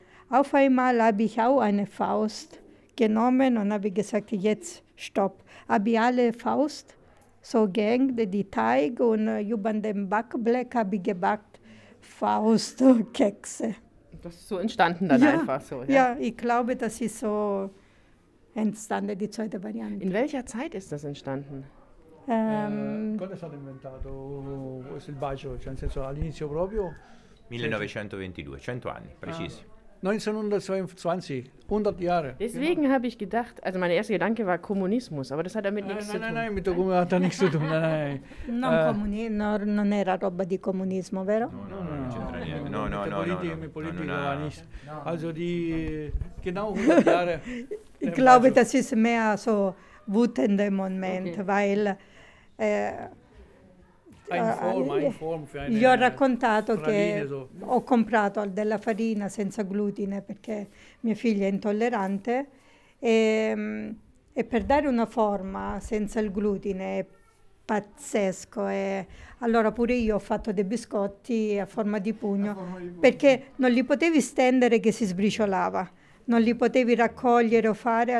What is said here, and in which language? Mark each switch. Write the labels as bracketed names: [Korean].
[German] Auf einmal habe ich auch eine Faust genommen und habe gesagt, jetzt stopp, habe ich alle Faust. So ging die Teig und über dem Backblech habe ich gebackt Faustkekse. Das ist so entstanden dann einfach so. Ja. Ja, ich glaube, das ist so entstanden, die zweite Variante. In welcher Zeit ist das entstanden? [Italian] Quando è stato inventato il bacio? Cioè, nel senso, all'inizio proprio? 1922, 100 anni, precisi. [German] 1922, 100 Jahre. Deswegen habe ich gedacht, also mein erster Gedanke war Kommunismus, aber das hat damit nichts zu tun. Nein, mit der Kommunismus hat er nichts zu tun. Nein. [Italian] Non era roba di comunismo, vero? No. [German] Also die genau 100 Jahre. Ich glaube, das ist mehr so wütender Moment, weil [Italian] Gli ho raccontato che ho comprato della farina senza glutine perché mia figlia è intollerante e per dare una forma senza il glutine è pazzesco. E allora pure io ho fatto dei biscotti a forma di pugno perché non li potevi stendere che si sbriciolava, non li potevi raccogliere o fare.